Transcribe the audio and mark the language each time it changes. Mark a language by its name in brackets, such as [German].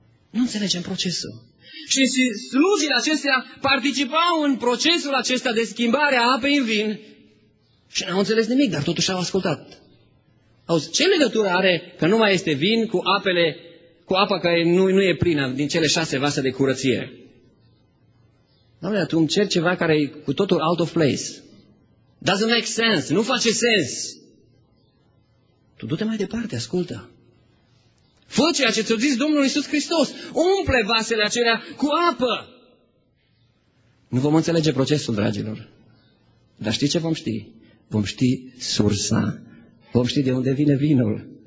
[Romanian] Nu înțelegem procesul. Și slujile acestea participau în procesul acesta de schimbare a apei în vin și n-au înțeles nimic, dar totuși au ascultat. Auzi, ce legătură are că nu mai este vin cu apele, cu apa care nu e plină din cele 6 vase de curăție? Doamne, tu îmi ceri ceva care e cu totul [English] out of place. Doesn't make sense, [Romanian] nu face sens. Tu du-te mai departe, ascultă. Fă ceea ce ți-a zis Domnul Iisus Hristos. Umple vasele acelea cu apă. Nu vom înțelege procesul, dragilor. Dar știi ce vom ști? Vom ști sursa. Vom ști de unde vine vinul.